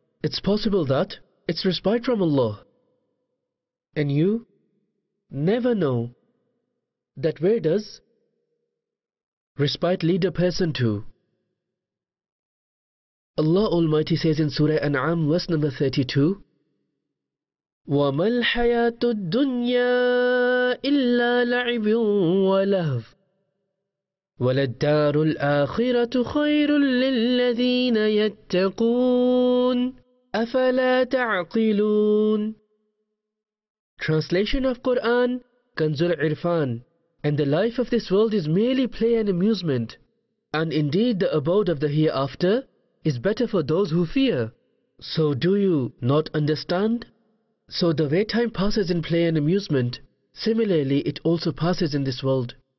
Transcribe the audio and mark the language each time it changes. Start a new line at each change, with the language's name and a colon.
English: It's possible that it's respite from Allah. And you never know that where does respite lead a person to. Allah Almighty says in Surah An'am, verse number 32,
Arabic: وَمَا الْحَيَاةُ الدُّنْيَا إِلَّا لَعِبٌ وَلَهْوٌ. وللدار الآخرة خير للذين يتقون أفلا تعقلون.
English: Translation of Quran, Kanzul Irfan. And the life of this world is merely play and amusement. And indeed the abode of the hereafter is better for those who fear. So do you not understand? So the way time passes in play and amusement, similarly it also passes in this world.